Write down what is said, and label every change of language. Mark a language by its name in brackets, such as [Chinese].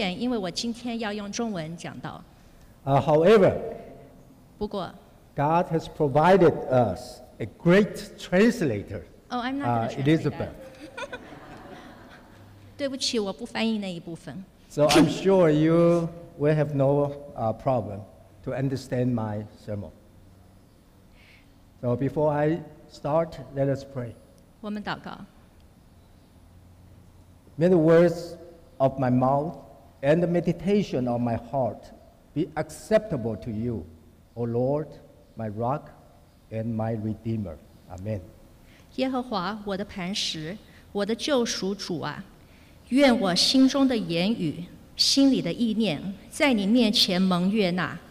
[Chinese] 我要对我们讲英文的弟兄姐妹们道歉，因为我今天要用中文讲道。 [English] However, [Chinese] 不过, [English] God has provided us a great translator. Oh, I'm not going to translate Elizabeth. that. [Chinese] 对不起，我不翻译那一部分。 [English] So I'm sure you will have no problem to understand my sermon. So before I start, let us pray. [Chinese] 我们祷告。 [English] May the words of my mouth and the meditation of my heart be acceptable to you, O Lord, my rock and my redeemer. Amen. [Chinese] 耶和华我的磐石，我的救赎主啊， 愿我心中的言语，心里的意念，在你面前蒙悦纳。